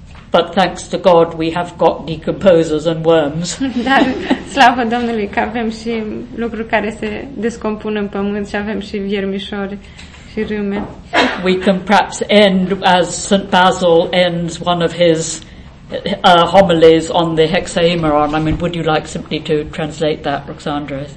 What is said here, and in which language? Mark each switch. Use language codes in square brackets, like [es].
[en] But thanks to God we have got decomposers and worms. [ro] Dar slavă Domnului că avem și lucruri care se descompun în pământ și avem și viermișori și râme. [en] We can perhaps end as St. Basil ends one of his homilies on the Hexaemeron. I mean, would you like simply to translate that, Roxandra?